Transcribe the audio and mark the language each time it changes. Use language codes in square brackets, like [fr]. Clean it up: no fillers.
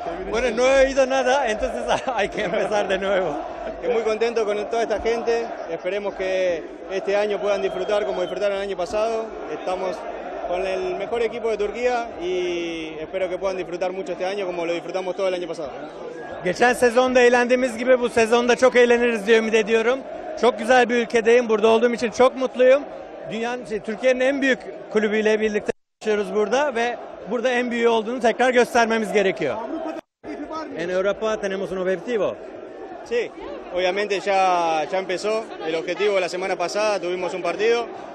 [es] Bueno, no he oído nada, entonces hay que empezar de nuevo. Estoy muy contento con toda esta gente, esperemos que este año puedan disfrutar como disfrutaron el año pasado. Estamos con el mejor equipo de Turquía y espero que puedan disfrutar mucho este año como lo disfrutamos todo el año pasado. [tr] Geçen sezonda eğlendiğimiz gibi bu sezonda çok eğleniriz diye ümit ediyorum. Çok güzel bir ülkedeyim. Burada olduğum için çok mutluyum. Dünyanın, Türkiye'nin en büyük kulübüyle birlikte çalışıyoruz burada ve burada en büyüğü olduğunu tekrar göstermemiz gerekiyor. Avrupa'da hedefi var mı? [es] En Europa tenemos un objetivo. Sí, obviamente ya empezó el objetivo la semana pasada, tuvimos un partido.